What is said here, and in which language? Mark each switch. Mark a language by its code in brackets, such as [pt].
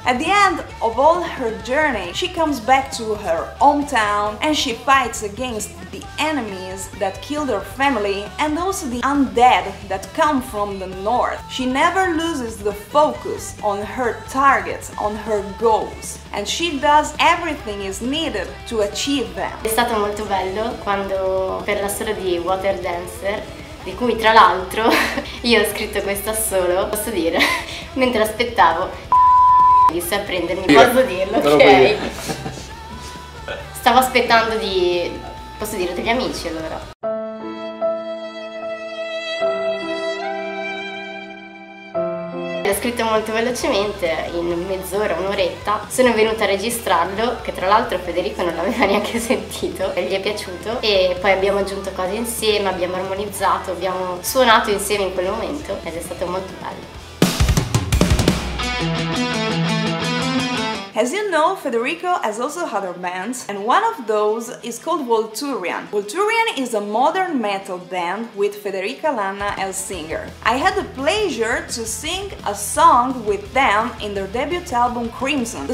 [en] At the end of all her journey, she comes back to her hometown and she fights against the enemies that killed her family and also the undead that come from the north. She never loses the focus on her targets, on her goals, and she does everything is needed to achieve them. [it] È stato molto bello quando per la storia di Water Dancer, di cui tra l'altro io ho scritto questa solo, posso dire, mentre aspettavo a prendermi, posso dirlo, ok? Stavo aspettando di, posso dire, degli amici allora. È l'ho scritto molto velocemente, in mezz'ora, un'oretta. Sono venuta a registrarlo, che tra l'altro Federico non l'aveva neanche sentito, e gli è piaciuto. E poi abbiamo aggiunto cose insieme, abbiamo armonizzato, abbiamo suonato insieme in quel momento ed è stato molto bello. [en] As you know, Federico has also other bands, and one of those is called Volturian. Volturian is a modern metal band with Federica Lanna as singer. I had the pleasure to sing a song with them in their debut album Crimson.